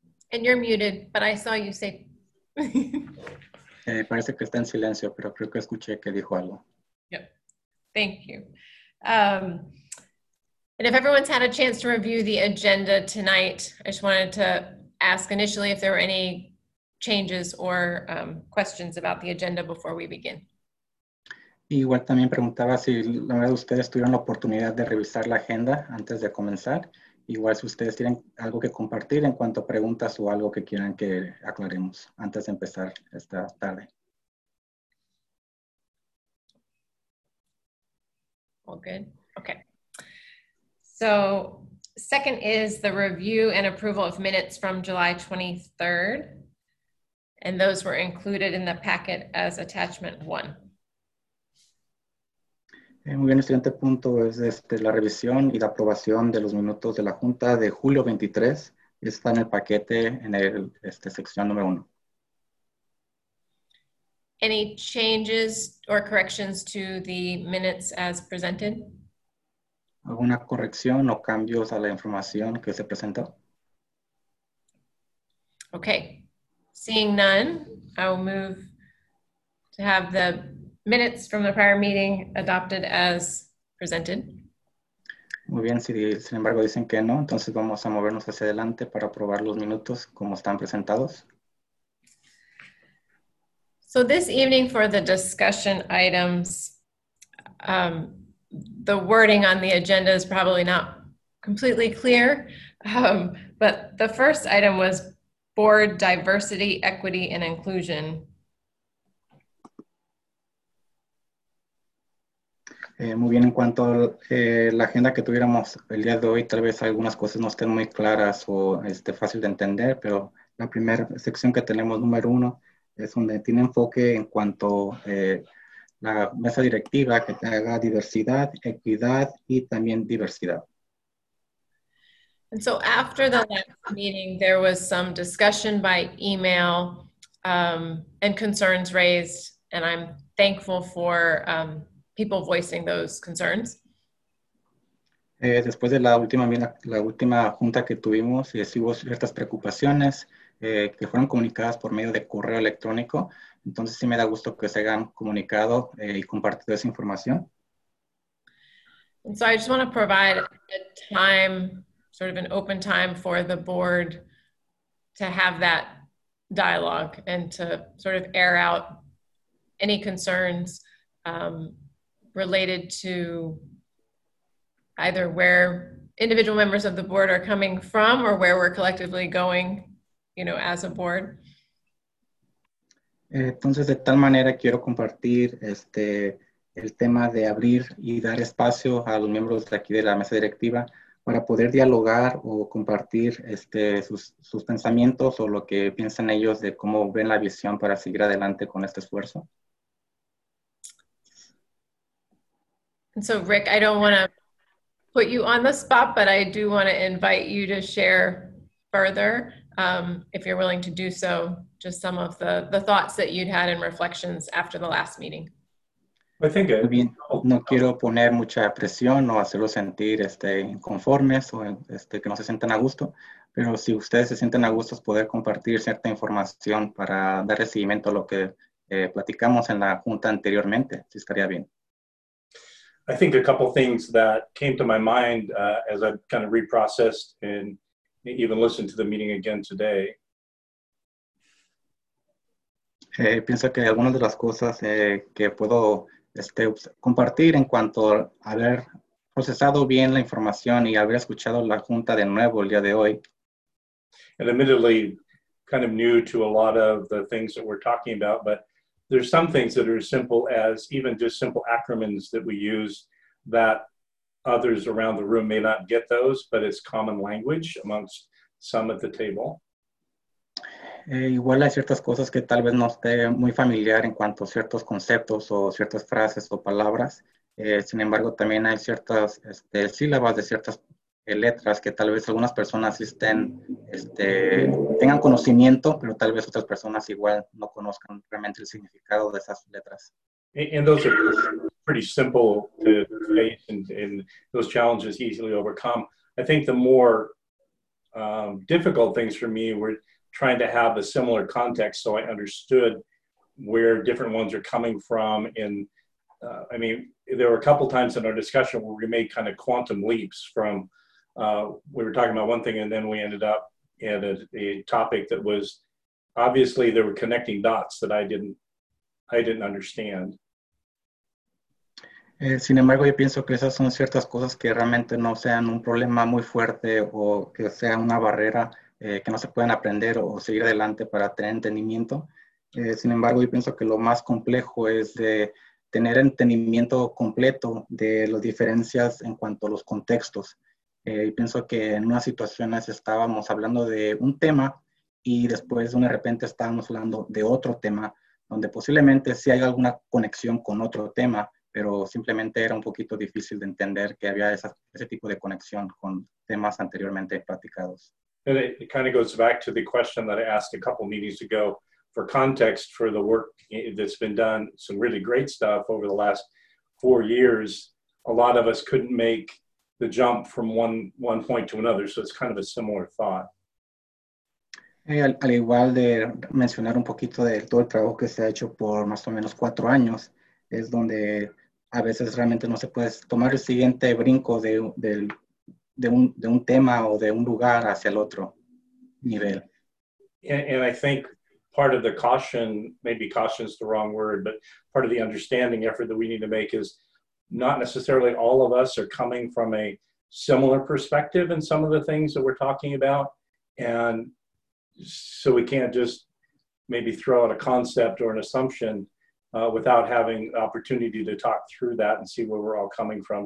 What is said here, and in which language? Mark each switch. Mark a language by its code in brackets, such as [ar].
[en] And you're muted, but I saw you say... [es] parece que está en silencio, pero creo que escuché que dijo algo. [en] Yep. Thank you. And if everyone's had a chance to review the agenda tonight, I just wanted to ask initially if there were any changes or questions about the agenda before we begin. [es] Igual también preguntaba si la mayoría de ustedes tuvieron la oportunidad de revisar la agenda antes de comenzar. Igual, si ustedes tienen algo que compartir en cuanto a preguntas o algo que quieran que aclaremos antes de empezar esta tarde. [en] All good. Okay. So, second is the review and approval of minutes from July 23rd. And those were included in the packet as attachment one. [es] Muy bien, el siguiente punto es la revisión y la aprobación de los minutos de la Junta de julio 23. Está en el paquete en el sección número 1. [en] Any changes or corrections to the minutes as presented? [es] ¿Alguna corrección o cambios a la información que se presentó? [en] Okay. Seeing none, I will move to have the minutes from the prior meeting adopted as presented. [es] Muy bien, si sin embargo dicen que no, entonces vamos a movernos hacia adelante para probar los minutos como están presentados. [en] So this evening for the discussion items, the wording on the agenda is probably not completely clear, but the first item was board diversity, equity, and inclusion. [es] Muy bien, en cuanto a la agenda que tuviéramos el día de hoy, tal vez algunas cosas no estén muy claras o fácil de entender, pero la primera sección que tenemos, número uno, es donde tiene enfoque en cuanto a la mesa directiva que tenga diversidad, equidad y también diversidad. [en] And so after the last meeting, there was some discussion by email and concerns raised, and I'm thankful for people voicing those concerns. [es] Después de la última junta que tuvimos, hubo ciertas preocupaciones que fueron comunicadas por medio de correo electrónico. Entonces sí me da gusto que se hayan comunicado y compartido esa información. [en] And so I just want to provide a time, sort of an open time for the board to have that dialogue and to sort of air out any concerns related to either where individual members of the board are coming from or where we're collectively going, you know, as a board. [es] Entonces, de tal manera quiero compartir el tema de abrir y dar espacio a los miembros de aquí de la mesa directiva para poder dialogar o compartir sus pensamientos o lo que piensan ellos de cómo ven la visión para seguir adelante con este esfuerzo. [en] And so, Rick, I don't want to put you on the spot, but I do want to invite you to share further, if you're willing to do so, just some of the thoughts that you'd had and reflections after the last meeting. I think it would be. [es] No quiero poner mucha presión o hacerlos sentir inconformes o que no se sientan a gusto, pero si ustedes se sienten a gusto, poder compartir cierta información para dar seguimiento a lo que platicamos en la junta anteriormente, si estaría bien. [en] I think a couple things that came to my mind as I kind of reprocessed and even listened to the meeting again today. [es] Pienso que algunas de las cosas que puedo compartir en cuanto a haber procesado bien la información y haber escuchado la junta de nuevo el día de hoy. [en] And admittedly, kind of new to a lot of the things that we're talking about, but there's some things that are as simple as even just simple acronyms that we use that others around the room may not get those, but it's common language amongst some at the table. [es] Igual hay ciertas cosas que tal vez no esté muy familiar en cuanto a ciertos conceptos o ciertas frases o palabras. Sin embargo, también hay ciertas sílabas de ciertas letras que tal vez algunas personas estén, tengan conocimiento, pero tal vez otras personas igual no conozcan realmente el significado de esas letras. [en] And those are pretty simple to face, and those challenges easily overcome. I think the more difficult things for me were trying to have a similar context so I understood where different ones are coming from. And I mean, there were a couple times in our discussion where we made kind of quantum leaps from we were talking about one thing and then we ended up at a topic that was obviously there were connecting dots that I didn't understand. [es] Sin embargo, yo pienso que esas son ciertas cosas que realmente no sean un problema muy fuerte o que sea una barrera que no se pueden aprender o seguir adelante para tener entendimiento. Sin embargo, yo pienso que lo más complejo es de tener entendimiento completo de las diferencias en cuanto a los contextos. Y pienso que en unas situaciones estábamos hablando de un tema y después de repente estábamos hablando de otro tema, donde posiblemente sí hay alguna conexión con otro tema, pero simplemente era un poquito difícil de entender que había ese tipo de conexión con temas anteriormente platicados. [en] And it kind of goes back to the question that I asked a couple meetings ago for context for the work that's been done, some really great stuff over the last 4 years. A lot of us couldn't make the jump from one point to another, so it's kind of a similar thought. [es] Al igual de mencionar un poquito de todo el trabajo que se ha hecho por más o menos 4 años, es donde a veces realmente no se puede tomar el siguiente brinco de de un tema o de un lugar hacia el otro nivel. [en] And I think part of the caution, maybe caution is the wrong word, but part of the understanding effort that we need to make is not necessarily all of us are coming from a similar perspective in some of the things that we're talking about. And so we can't just maybe throw out a concept or an assumption without having opportunity to talk through that and see where we're all coming from.